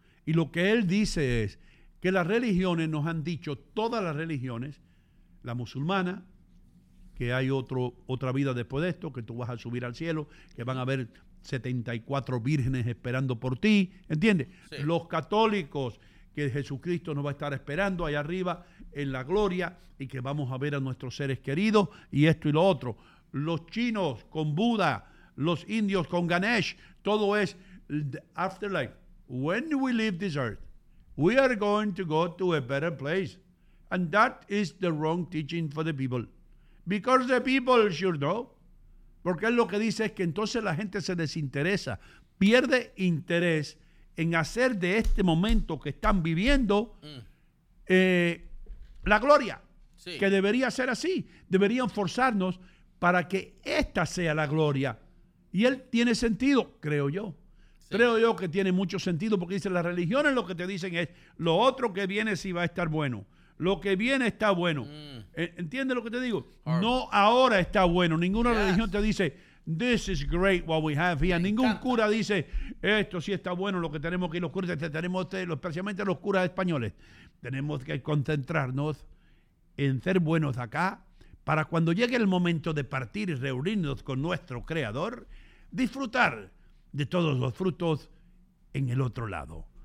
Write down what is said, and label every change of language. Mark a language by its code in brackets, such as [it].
[es] Y lo que él dice es que las religiones nos han dicho, todas las religiones, la musulmana, que hay otra vida después de esto, que tú vas a subir al cielo, que van a ver 74 vírgenes esperando por ti, ¿entiendes? Sí. Los católicos, que Jesucristo nos va a estar esperando allá arriba en la gloria y que vamos a ver a nuestros seres queridos y esto y lo otro. Los chinos con Buda, los indios con Ganesh, todo es [en] the afterlife. When we leave this earth, we are going to go to a better place. And that is the wrong teaching for the people. Because the people should know. [es] Porque él lo que dice es que entonces la gente se desinteresa, pierde interés en hacer de este momento que están viviendo la gloria. Sí. Que debería ser así. Deberían forzarnos para que esta sea la gloria. Y él tiene sentido, creo yo. Sí. Creo yo que tiene mucho sentido porque dice, las religiones lo que te dicen es lo otro que viene sí va a estar bueno. Lo que viene está bueno. ¿Entiendes lo que te digo? Horrible. No ahora está bueno. Ninguna religión te dice, [en] this is great what we have here. [es] Ningún cura dice, esto sí está bueno, lo que tenemos aquí, los curas, tenemos especialmente los curas españoles. Tenemos que concentrarnos en ser buenos acá para cuando llegue el momento de partir y reunirnos con nuestro Creador, disfrutar de todos los frutos en el otro lado.